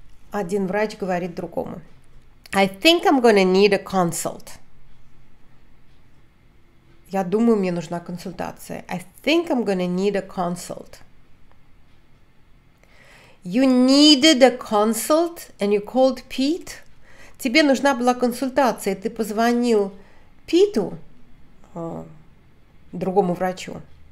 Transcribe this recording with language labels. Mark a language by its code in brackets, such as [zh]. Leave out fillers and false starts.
[ru] Один врач говорит другому. [en] I think I'm gonna need a consult. [ru] Я думаю, мне нужна консультация. [en] I think I'm gonna need a consult. You needed a consult and you called Pete? [ru] Тебе нужна была консультация, и ты позвонил Питу, другому врачу.